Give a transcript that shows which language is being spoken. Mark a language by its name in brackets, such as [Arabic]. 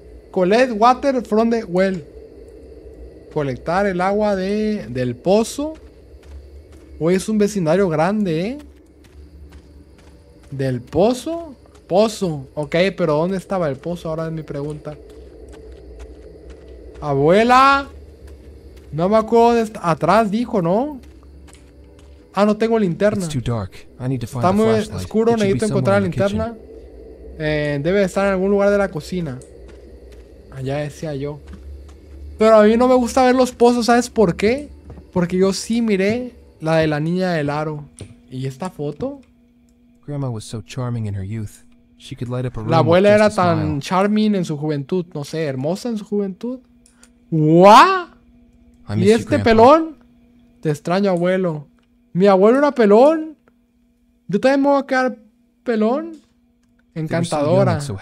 [English] Collect water from the well. [Spanish] Colectar el agua del pozo. Hoy es un vecindario grande, ¿eh? ¿Del pozo? Pozo, ok, pero ¿dónde estaba el pozo? Ahora es mi pregunta. ¡Abuela! No me acuerdo dónde está. Atrás dijo, ¿no? Ah, no tengo linterna. Está muy oscuro, necesito encontrar la linterna. Debe estar en algún lugar de la cocina. Allá decía yo. Pero a mí no me gusta ver los pozos, ¿sabes por qué? Porque yo sí miré la de la niña del aro. ¿Y esta foto? [English] Grandma was so charming in her youth. She could light up a room. [Spanish] La abuela era tan charming en su juventud, no sé, hermosa en su juventud. ¿Wa? ¿Y este pelón? Te extraño, abuelo. ¿Mi abuelo era pelón? ¿Yo también me voy a quedar pelón? Encantadora.